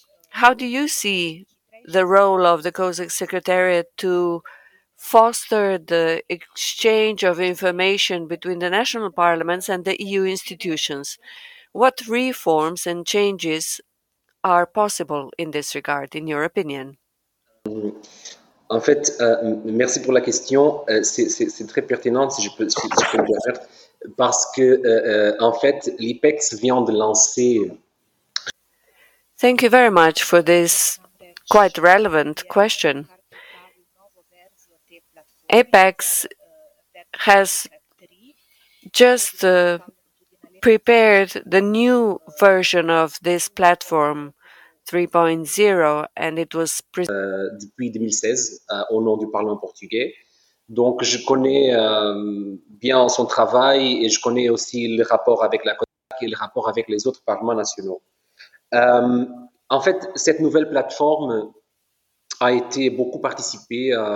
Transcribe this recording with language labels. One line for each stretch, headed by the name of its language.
English: How do you see the role of the COSAC Secretariat to foster the exchange of information between the national parliaments and the EU institutions? What reforms and changes are possible in this regard, in your opinion?
French: En fait, merci pour la question. C'est très pertinent, si je peux le permettre, parce que, en fait, l'IPEX vient de lancer.
English: Thank you very much for this quite relevant question. IPEX has just prepared the new version of this platform 3.0, and it was
French: depuis 2016 au nom du Parlement portugais. Donc je connais bien son travail et je connais aussi le rapport avec la COSAC et le rapport avec les autres parlements nationaux. En fait, cette nouvelle plateforme a été beaucoup participée.